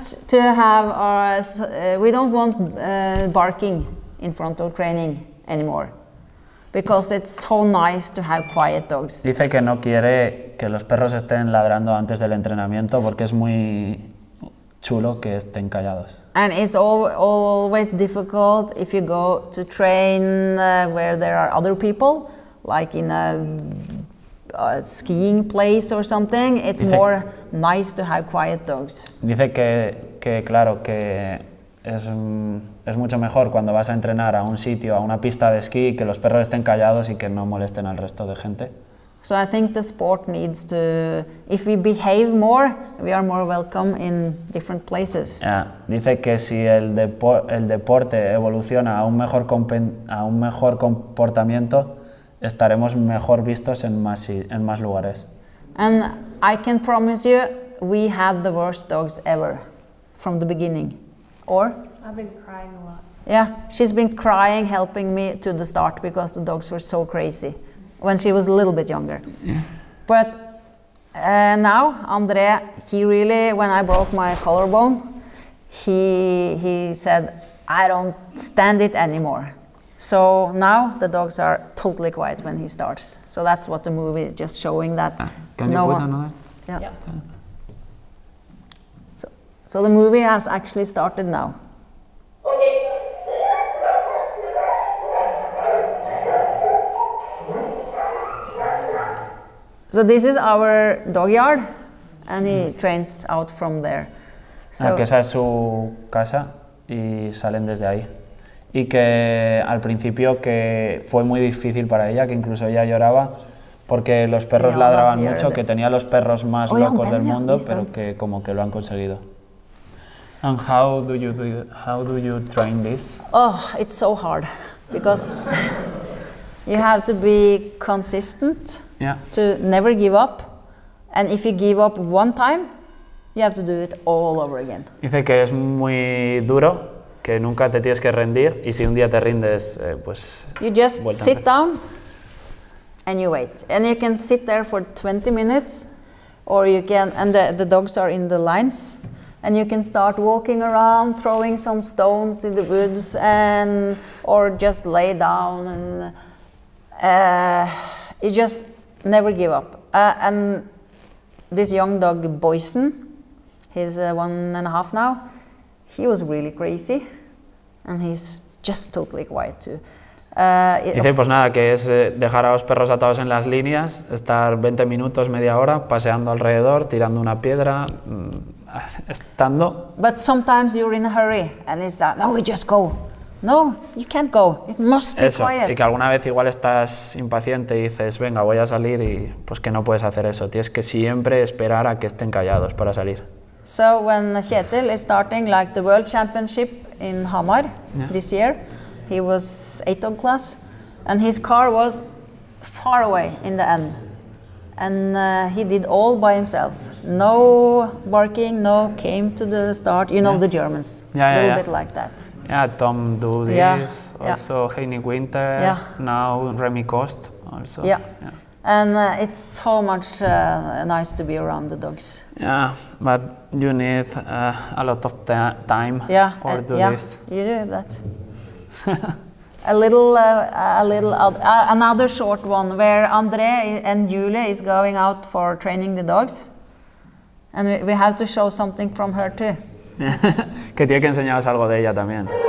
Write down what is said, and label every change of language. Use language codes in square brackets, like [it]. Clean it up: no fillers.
[en] To have our, we don't want barking in front of training anymore, because it's so nice to have quiet dogs. [es] Dice que no quiere que los perros estén ladrando antes del entrenamiento porque es muy chulo que estén callados. [en] And it's always difficult if you go to train where there are other people, like in a skiing place or something. It's dice, more nice to have quiet dogs. [es] Dice que claro que es mucho mejor cuando vas a entrenar a un sitio, a una pista de esquí, que los perros estén callados y que no molesten al resto de gente. [en] So I think the sport needs to, if we behave more, we are more welcome in different places. Yeah. [es] Dice que si el, el deporte evoluciona a un mejor comportamiento, estaremos mejor vistos en más, en más lugares. [en] And I can promise you, we had the worst dogs ever from the beginning. Or? I've been crying a lot. Yeah, she's been crying helping me to the start because the dogs were so crazy when she was a little bit younger. Yeah. But now, André, he really, when I broke my collarbone, he said, I don't stand it anymore. So now the dogs are totally quiet when he starts. So that's what the movie is just showing that. Can you put another? Yeah. So the movie has actually started now. So this is our dog yard, and he trains out from there. [es] So que esa es su casa y salen desde ahí. Y que al principio que fue muy difícil para ella, que incluso ella lloraba porque los perros ladraban mucho, que tenía los perros más locos del mundo, pero que como que lo han conseguido. [en] And how do you do, how do you train this? Oh, it's so hard because you have to be consistent, yeah, to never give up. And if you give up one time, you have to do it all over again. [es] Dice que es muy duro, que nunca te tienes que rendir, y si un día te rindes, pues [en] you just sit down and you wait. And you can sit there for 20 minutes or you can, and the dogs are in the lines. And you can start walking around, throwing some stones in the woods, and or just lay down, and you just never give up. And this young dog, Boysen, he's 1.5 now, he was really crazy, and he's just totally quiet too. [es] Dice, pues nada, que es dejar a los perros atados en las líneas, estar 20 minutos, media hora, paseando alrededor, tirando una piedra, estando. [en] But sometimes you're in a hurry and it's no, we just go. No, you can't go. It must be [es] eso, [en] quiet. [es] Y que alguna vez igual estás impaciente y dices, venga, voy a salir, y pues que no puedes hacer eso. Tienes que siempre esperar a que estén callados para salir. [en] So when Kjetil is starting like the World Championship in Hamar, yeah, this year, he was 8 dog class and his car was far away in the end. And he did all by himself. No barking, no came to the start. You know, yeah, the Germans. Yeah, yeah, a little, yeah, bit like that. Yeah, Tom Doody, yeah, also, yeah. Heini Winter, yeah, now Remy Kost also. Yeah, yeah. And it's so much nice to be around the dogs. Yeah, but you need a lot of time, yeah, for do, yeah, this. You do that. another short one where André and Julie is going out for training the dogs. And we have to show something from her too. [es] Que tiene que enseñaros algo de ella también.